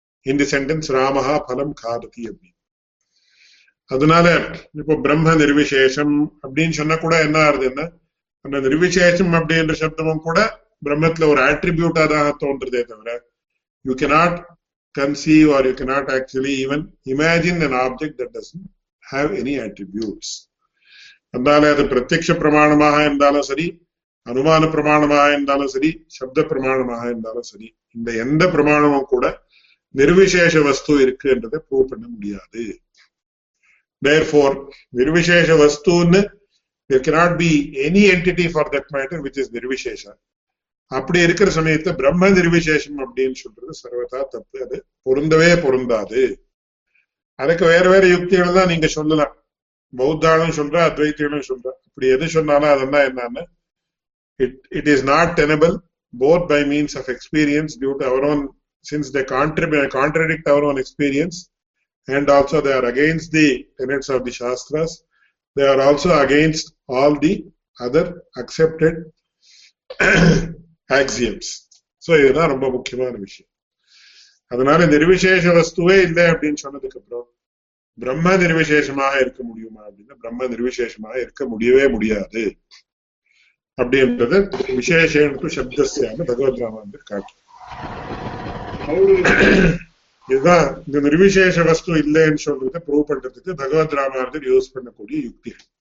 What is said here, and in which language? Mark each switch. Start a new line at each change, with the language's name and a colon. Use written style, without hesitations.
English: in the sentence
Sanskrit: ராமஹா பலம் காததி
Tamil: அப்படின்னு. அதனால இப்போ பிரம்ம நிர்விசேஷம் அப்படின்னு சொன்னா கூட என்ன ஆகுதுன்னா, அந்த நிர்விசேஷம் அப்படின்ற சப்தமும் கூட பிரம்மத்துல ஒரு ஆட்ரிபியூட்டா தான் தோன்றதே தவிர,
English: You cannot conceive or you cannot actually even imagine an object that doesn't have any attributes.
Tamil: அதனால அது பிரத்யக்ஷ பிரமாணமாக இருந்தாலும் சரி, அனுமான பிரமாணமாக இருந்தாலும் சரி, சப்த பிரமாணமாக இருந்தாலும் சரி, இந்த எந்த பிரமாணமும் கூட நிர்விசேஷ வஸ்து இருக்குன்றதை ப்ரூவ் பண்ண முடியாது.
English: Therefore, nirvishesha vastu, there cannot be any entity for that matter which is nirvishesha.
Tamil: அப்படி இருக்கிற சமயத்தை பிரம்ம நிர்விசேஷம் அப்படின்னு சொல்றது சர்வதா தப்பு, அது பொருந்தவே பொருந்தாது. அதுக்கு வேற வேற யுக்திகள் தான் நீங்க சொல்லலாம், பௌத்தாலும் சொல்ற அத்வைத்தியும் சொல்ற, அப்படி எது சொன்னாலும் அதெல்லாம் என்னன்னு,
English: it is not tenable both by means of experience due to our own, since they contradict our own experience. And also they are against the tenets of the Shastras. They are also against all the other accepted axioms. So, this is a very important issue. That's why Nirvishesha Vastu is not there.
Tamil: பிரம்ம நிர்விசேஷமாக இருக்க முடியுமா அப்படின்னா பிரம்ம நிர்விசேஷமாக இருக்க முடியவே முடியாது அப்படின்றத விசேஷன்ட்டு சப்தஸ்யான பகவத் ராம வந்து காட்டும். இதுதான் இந்த நிர்விசேஷ வஸ்து இல்லைன்னு சொல்றத ப்ரூவ் பண்றதுக்கு பகவத் ராமாந்தர் யூஸ் பண்ணக்கூடிய யுக்தி.